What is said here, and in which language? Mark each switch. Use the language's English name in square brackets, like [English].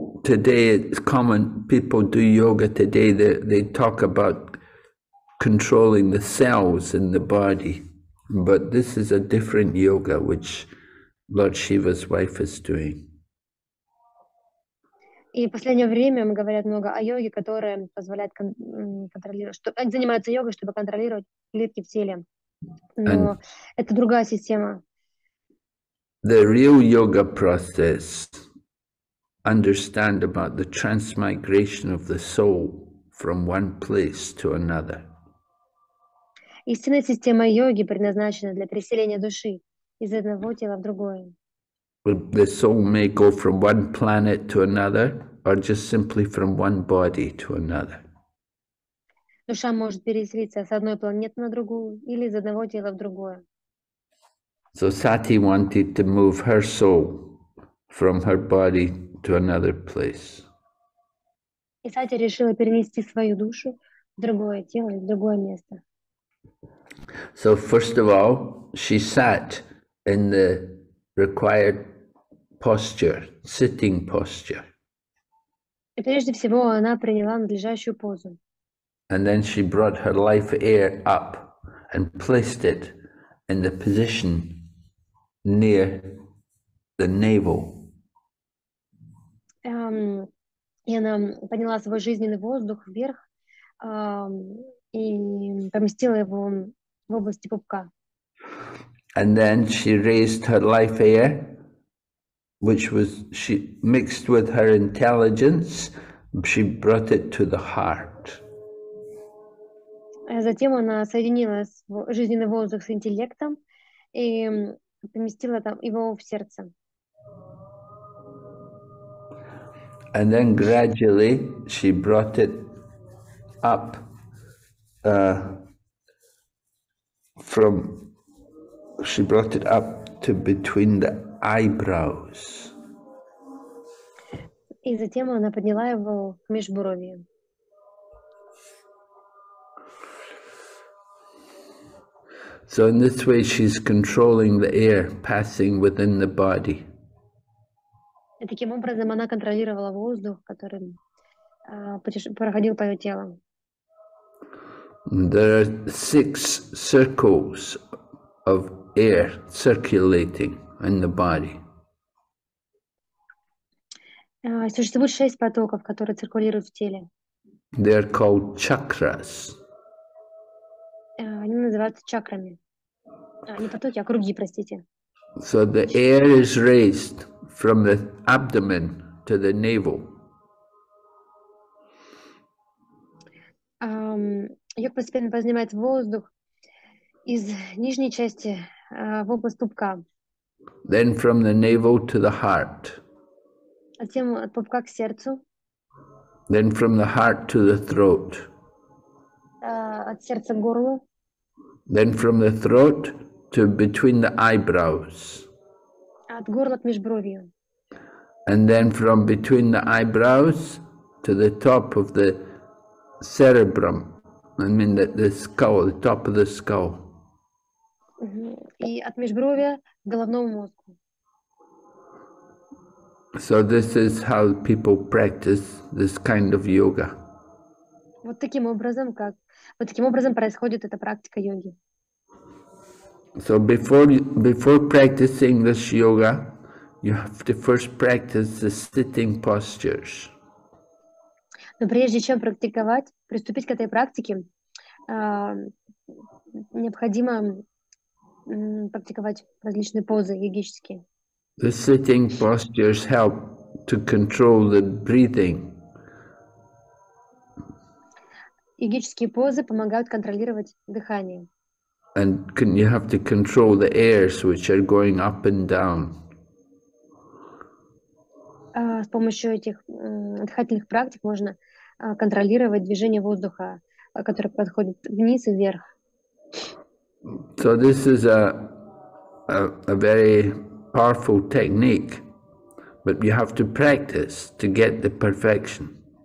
[English] Today it's common people do yoga today, they talk about controlling the cells in the body. But this is a different yoga which Lord Shiva's wife is doing. [Russian] И в последнее время мы говорят много о йоге, которая позволяет контролировать, что занимается йогой, чтобы контролировать клетки в теле. Но это другая система. [English] The real yoga process understand about the transmigration of the soul from one place to another. [Russian] Истинная система йоги предназначена для переселения души из одного тела в другое. [English] The soul may go from one planet to another, or just simply from one body to another. [Russian] Душа может переселиться с одной планеты на другую или из одного тела в другое. [English] So Sati wanted to move her soul from her body to another place. [Russian] И Сати решила перенести свою душу в другое тело, в другое место. [English] So first of all, she sat in the required posture, sitting posture. [Russian] И прежде всего она приняла надлежащую позу. [English] And then she brought her life air up and placed it in the position near the navel. [Russian] И она подняла свой жизненный воздух вверх и поместила его в области пупка. [English] And then she raised her life air, which was she mixed with her intelligence, she brought it to the heart. [Russian] Затем она соединила жизненный воздух с интеллектом и поместила там его в сердце. [English] And then gradually she brought it up from she brought it up to between the eyebrows. [Russian] И затем она подняла его к межбровью. [English] So in this way she's controlling the air passing within the body. [Russian] И таким образом она контролировала воздух, который проходил по ее телу. [English] There are six circles of air circulating in the body. [Russian] Существует шесть потоков, которые циркулируют в теле. [English] They are called chakras. [Russian] Они называются чакрами. Не потоки, а круги, простите. [English] So the air is raised from the abdomen to the navel. [Russian] Ее постепенно поднимает воздух из нижней части в область пупка. [English] Then from the navel to the heart. [Russian] Затем от пупка к сердцу. [English] Then from the heart to the throat. [Russian] От сердца к горлу. [English] Then from the throat to between the eyebrows. [Russian] От горла к межбровью. [English] And then from between the eyebrows to the top of the cerebrum. I mean that the skull, the top of the skull. [Russian] И от межбровья к головному мозгу. [English] So this is how people practice this kind of yoga. [Russian] Вот таким образом, как вот таким образом происходит эта практика йоги. [English] So before practicing this yoga, you have to first practice the sitting postures. [Russian] Но прежде чем практиковать, приступить к этой практике, необходимо практиковать различные позы йогические. [English] The sitting postures help to control the breathing. [Russian] Йогические позы помогают контролировать дыхание. [English] And you have to control the airs which are going up and down. [Russian] С помощью этих дыхательных практик можно контролировать движение воздуха, которое подходит вниз и вверх. [English] So this is a very powerful technique, but you have to practice to get the perfection.